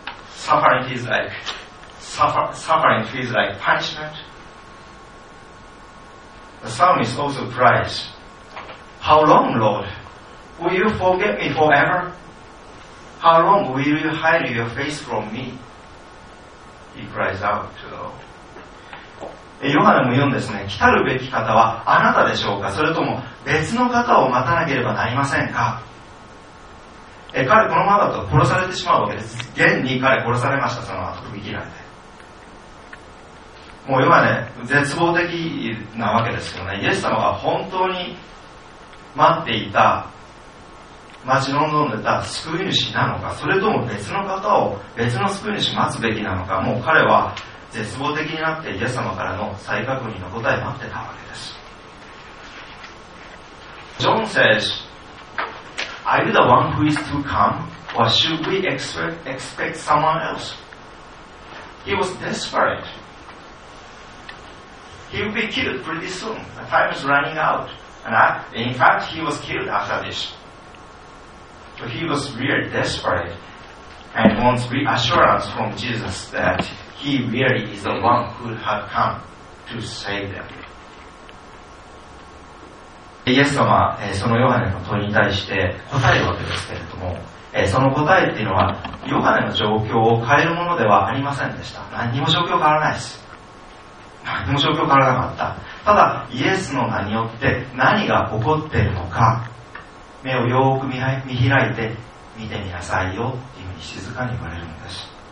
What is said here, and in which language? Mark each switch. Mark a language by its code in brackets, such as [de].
[en] Suffering feels like punishment. The psalmist also cries, How long, Lord? Will you forget me forever? How long will you hide your face from me? He cries out to the Lord. [ja] ヨハネも言うんですね。来たるべき方はあなたでしょうか、それとも別の方を待たなければなりませんか。彼、このままだと殺されてしまうわけです。現に彼殺されました。その後首切られて、もうヨハネ絶望的なわけですよね。イエス様が本当に待っていた、待ち望んでた救い主なのか、それとも別の方を、別の救い主待つべきなのか、もう彼は絶望的になってイエス様からの再確認の答え待ってたわけです。 [en] ジョン says Are you the one who is to come? Or should we expect someone else? He was desperate. He will be killed pretty soon. The time is running out. And in fact he was killed after thisSo he was really desperate and wants reassurance from Jesus that he really is the one who had come to save them. [ja] イエス様、そのヨハネの問いに対して答えるわけですけれども、その答えっていうのはヨハネの状況を変えるものではありませんでした。何にも状況変わらないです。何にも状況変わらなかった。ただイエスの名によって何が起こっているのか、目をよく見開いて見てみなさいよっていうふうに静かに言われるんです。